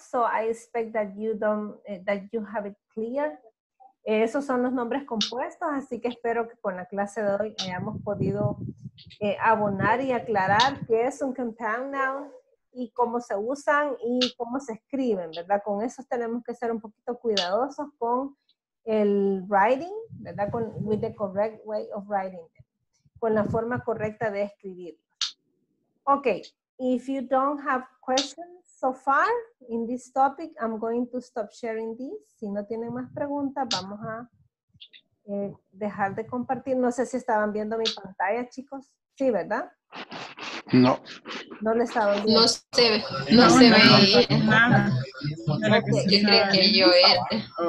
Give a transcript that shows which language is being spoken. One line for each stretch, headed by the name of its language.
English: So I expect that you don't, that you have it clear.
Spanish: Esos son los nombres compuestos, así que espero que con la clase de hoy hayamos podido abonar y aclarar qué es un compound noun y cómo se usan y cómo se escriben, ¿verdad? Con eso tenemos que ser un poquito cuidadosos con el writing, ¿verdad? Con
English: with the correct way of writing,
Spanish: con la forma correcta de escribir.
English: Okay, if you don't have questions so far in this topic, I'm going to stop sharing this.
Spanish: Si no tienen más preguntas, vamos a dejar de compartir. No sé si estaban viendo mi pantalla, chicos. Sí, ¿verdad? No. No le estaba viendo. No se ve. Nada. Okay. Yo creo que yo era.